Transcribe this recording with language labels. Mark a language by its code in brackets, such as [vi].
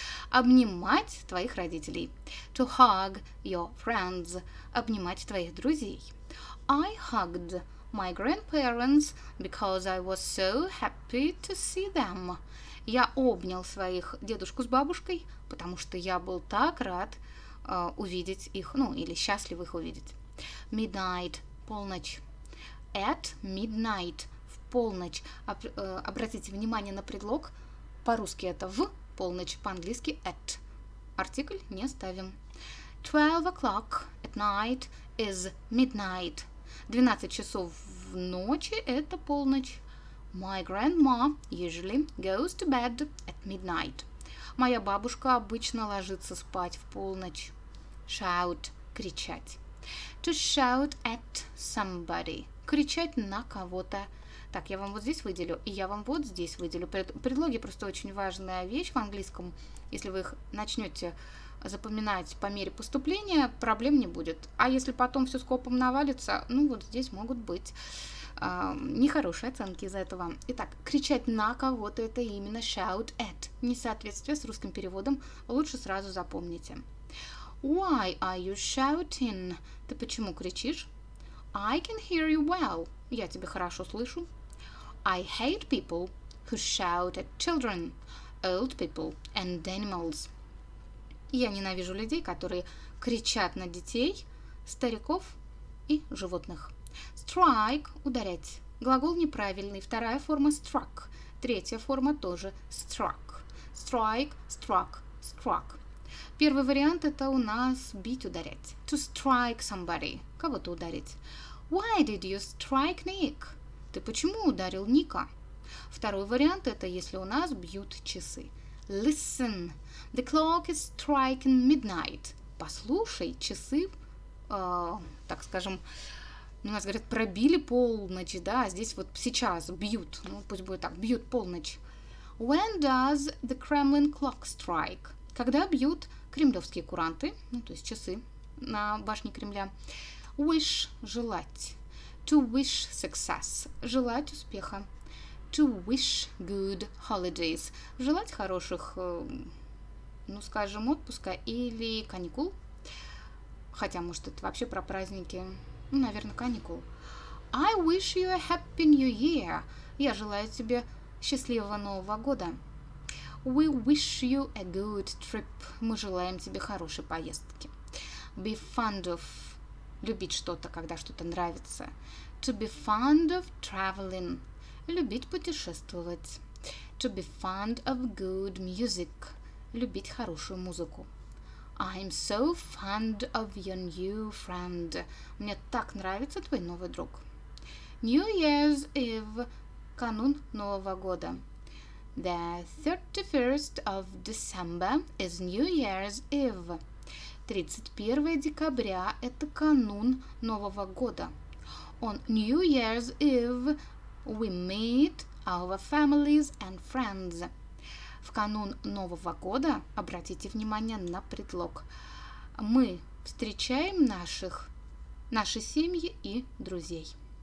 [ru] Обнимать твоих родителей. [en] To hug your friends. [ru] Обнимать твоих друзей. [en] I hugged my grandparents because I was so happy to see them. [ru] Я обнял своих дедушку с бабушкой, потому что я был так рад увидеть их, ну, или счастлив их увидеть. Midnight – полночь. [en] At midnight [ru] – в полночь. Обратите внимание на предлог. По-русски это «в» – полночь, по-английски «at». Артикль не ставим. [en] 12 o'clock at night is midnight. [ru] 12 часов в ночи – это полночь. [en] My grandma usually goes to bed at midnight. [ru] Моя бабушка обычно ложится спать в полночь. Shout – кричать. [en] To shout at somebody – [ru] кричать на кого-то. Так, я вам вот здесь выделю, и я вам вот здесь выделю. Предлоги – просто очень важная вещь в английском. Если вы их начнете запоминать по мере поступления, проблем не будет. А если потом все скопом навалится, ну вот здесь могут быть нехорошие оценки из-за этого. Итак, кричать на кого-то – это именно shout at. Несоответствие с русским переводом лучше сразу запомните. [en] Why are you shouting? [ru] Ты почему кричишь? [en] I can hear you well. [ru] Я тебя хорошо слышу. [en] I hate people who shout at children, old people and animals. [ru] Я ненавижу людей, которые кричат на детей, стариков и животных. Strike – ударять. Глагол неправильный. Вторая форма – struck. Третья форма тоже – struck. [en] Strike – struck – struck. [ru] Первый вариант – это у нас бить, ударять. [en] To strike somebody – [ru] кого-то ударить. [en] Why did you strike Nick? [ru] Ты почему ударил Ника? Второй вариант – это если у нас бьют часы. [en] Listen – the clock is striking midnight. [ru] Послушай, часы, так скажем, у нас говорят, пробили полночь, да, а здесь вот сейчас бьют. Ну, пусть будет так, бьют полночь. [en] When does the Kremlin clock strike? [ru] Когда бьют кремлевские куранты, ну, то есть часы на башне Кремля. Wish – желать. [en] To wish success. [ru] Желать успеха. [en] To wish good holidays. [ru] Желать хороших, ну скажем, отпуска или каникул. Хотя, может, это вообще про праздники. Ну, наверное, каникул. [en] I wish you a happy new year. [ru] Я желаю тебе счастливого Нового года. [en] We wish you a good trip. [ru] Мы желаем тебе хорошей поездки. [en] Be fond of. [ru] Любить что-то, когда что-то нравится. [en] To be fond of traveling. [ru] Любить путешествовать. [en] To be fond of good music. [ru] Любить хорошую музыку. [en] I'm so fond of your new friend. Мне так нравится твой новый друг. New Year's Eve. [ru] Канун Нового года. [en] The 31st of December is New Year's Eve. [ru] 31 декабря – это канун Нового года. [en] On New Year's Eve we meet our families and friends. [ru] В канун Нового года обратите внимание на предлог. Мы встречаем наших, наши семьи и друзей.